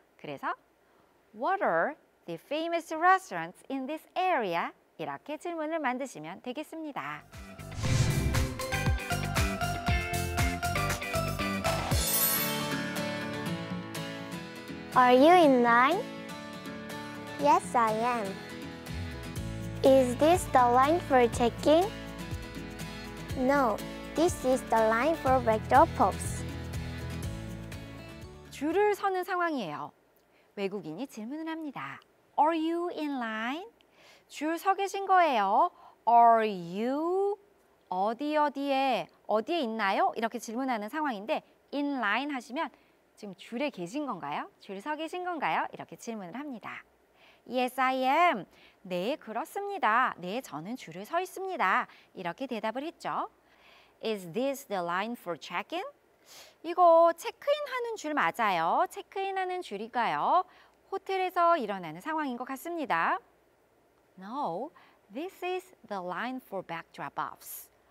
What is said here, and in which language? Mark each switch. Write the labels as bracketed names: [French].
[Korean] 그래서 [English] What are the famous restaurants in this area? [Korean] 이렇게 질문을 만드시면 되겠습니다. [English] Are you in line? Yes, I am. Is this the line for checking? No, this is the line for vector pops. [Korean] 줄을 서는 상황이에요. 외국인이 질문을 합니다. [English] Are you in line? [Korean] 줄 서 계신 거예요. [English] Are you [Korean] 어디에 있나요? 이렇게 질문하는 상황인데 in line 하시면 지금 줄에 계신 건가요? 줄 서 계신 건가요? 이렇게 질문을 합니다. [English] Yes, I am. [Korean] 네, 그렇습니다. 네, 저는 줄을 서 있습니다. 이렇게 대답을 했죠. [English] Is this the line for check-in? [Korean] 이거 체크인하는 줄 맞아요. 체크인하는 줄이가요. 호텔에서 일어나는 상황인 것 같습니다. [English] No, This is the line for bag drop-offs.